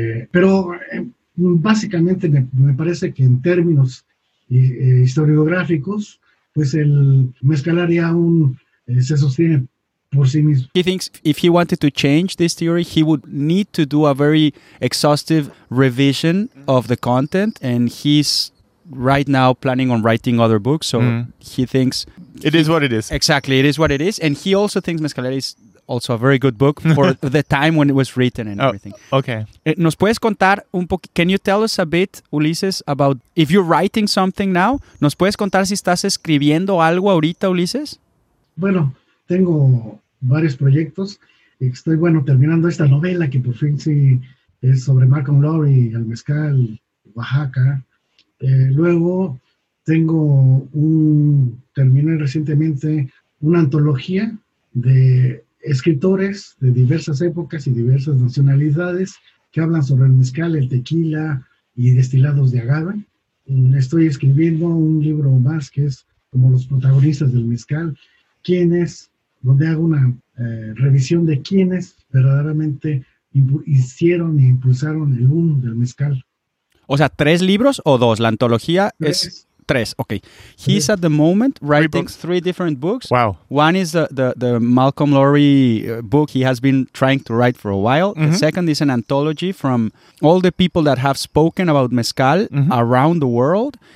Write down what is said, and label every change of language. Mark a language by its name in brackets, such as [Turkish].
[Spanish] Pero básicamente me parece que en términos historiográficos, pues el Mezcalaria aún se sostiene por sí mismo. [English] He thinks if he wanted to change this theory, he would need to do a very exhaustive revision of the content, and he's right now planning on writing other books, so he thinks it is what it is. Exactly, it is what it is, and he also thinks Mezcalaria is also a very good book for the time when it was written and everything. Okay. [Spanish] ¿Nos puedes contar un poco? [English] Can you tell us a bit, Ulises, about if you're writing something now? [Spanish] ¿Nos puedes contar si estás escribiendo algo ahorita, Ulises? Bueno, tengo varios proyectos. Estoy, bueno, terminando esta novela que por fin sí es sobre Malcolm Lowry, el mezcal, Oaxaca. Luego tengo terminé recientemente una antología de escritores de diversas épocas y diversas nacionalidades que hablan sobre el mezcal, el tequila y destilados de agave. Estoy escribiendo un libro más que es como los protagonistas del mezcal, quienes, donde hago una revisión de quienes verdaderamente hicieron e impulsaron el boom del mezcal. O sea, ¿tres libros o dos? La antología es tres, okay. [English] He's at the moment writing three different books. Wow. One is the Malcolm Lowry book he has been trying to write for a while. Mm-hmm. The second is an anthology from all the people that have spoken about mezcal around the world.